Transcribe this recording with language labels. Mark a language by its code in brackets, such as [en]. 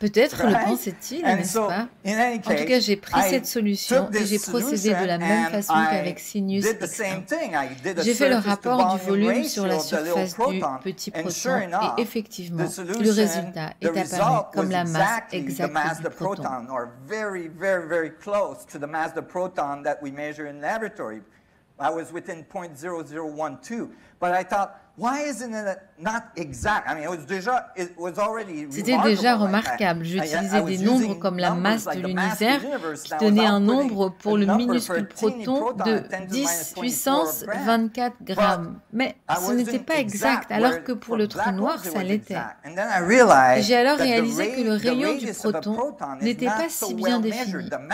[fr] Peut-être le pensait-il, n'est-ce pas? En tout cas, j'ai pris cette solution et j'ai procédé de la même façon qu'avec Cygnus X1. J'ai fait le rapport du volume sur la surface du petit proton et effectivement, le résultat est apparu comme la masse exacte du proton. [en] Or very, very, very close to the mass of the proton that we measure in the laboratory. I was within 0.0012, but I thought, why isn't it not exact? I mean, it was already remarquable. [fr] J'utilisais des nombres comme la masse de l'univers qui donnait un nombre pour le minuscule proton de 10 puissance 24 grammes. Mais ce n'était pas exact, alors que pour le trou noir, ça l'était. J'ai alors réalisé que le rayon du proton n'était pas si bien défini.